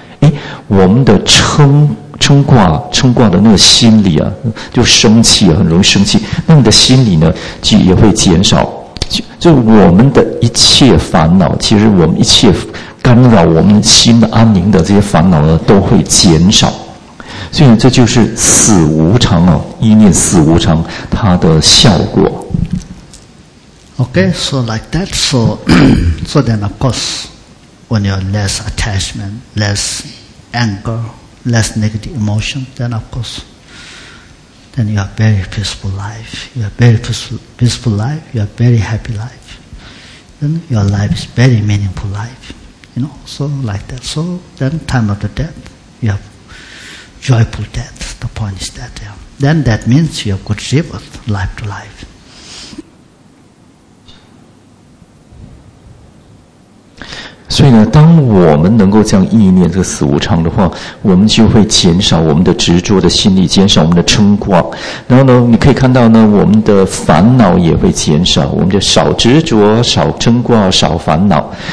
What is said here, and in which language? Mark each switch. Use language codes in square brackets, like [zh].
[zh] 诶， 我们的称挂的那个心理啊， 就生气啊， 很容易生气， 那你的心理呢， 就也会减少。就我们的一切烦恼， 其实我们一切 干扰我们心安宁的这些烦恼呢， 都会减少。所以这就是死无常哦， 意念死无常， 它的效果。 [en] Okay, so like that. So, so then of course, when you have less attachment, less anger, less negative emotion, then of course, then you have very peaceful life. You have very peaceful life. You have very happy life. Then your life is very meaningful life. You know, so like that. So then time of the death, you have joyful death. The point is that, yeah. Then that means you have good rebirth, life to life. [zh] 所以呢， 当我们能够这样意念这个死无常的话， 我们就会减少我们的执着的心理， 减少我们的嗔挂。然后呢， 你可以看到呢， 我们的烦恼也会减少， 我们就少执着， 少嗔挂， 少烦恼。